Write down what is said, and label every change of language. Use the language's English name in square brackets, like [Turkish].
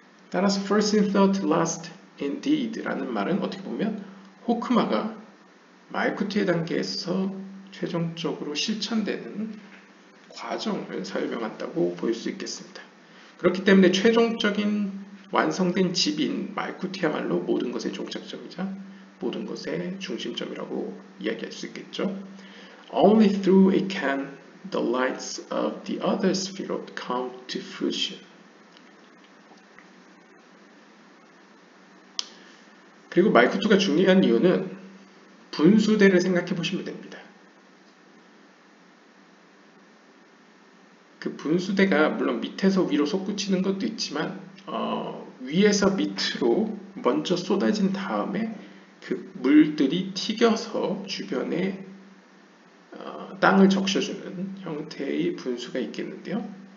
[Korean] 따라서 [English] first in thought, last in deed [Korean] 라는 말은 어떻게 보면 호크마가 말쿠트의 단계에서 최종적으로 실천되는 과정을 설명한다고 볼수 있겠습니다. 그렇기 때문에 최종적인 완성된 집인 말쿠트야말로 모든 것의 종착점이자 모든 것의 중심점이라고 이야기할 수 있겠죠. [English] Only through it can the lights of the other spheres come to fruition. [Korean] 그리고 말투가 중요한 이유는 분수대를 생각해 보시면 됩니다. 그 분수대가 물론 밑에서 위로 솟구치는 것도 있지만, 위에서 밑으로 먼저 쏟아진 다음에 그 물들이 튀겨서 주변에 땅을 적셔주는 형태의 분수가 있겠는데요.